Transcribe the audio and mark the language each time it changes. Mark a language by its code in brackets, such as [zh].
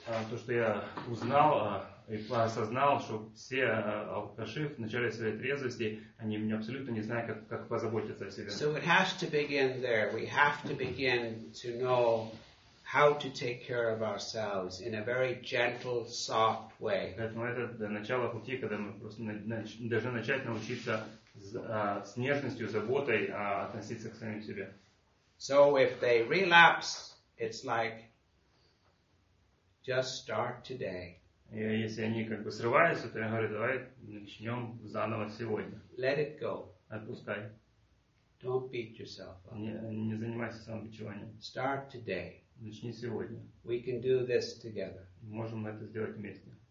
[ru] То, что я узнал и осознал, что все алкаши в начале своей трезвости, они мне абсолютно не знают, как позаботиться о себе. [en] So it has to begin there. We have to begin to know how to take care of ourselves in a very gentle, soft way. [ru] Поэтому это начало пути, когда мы просто должны начать научиться с нежностью, заботой относиться к самим себе. [en] So if they relapse, it's like just start today. [ru] И если они как бы срываются, то я говорю, давай начнем заново сегодня. [en] Let it go. [ru] Отпускай. [en] Don't beat yourself up. [ru] Не занимайся самобичеванием. [en] Start today. [ru] Начни сегодня. [en] We can do this together. [ru] Можем это сделать вместе.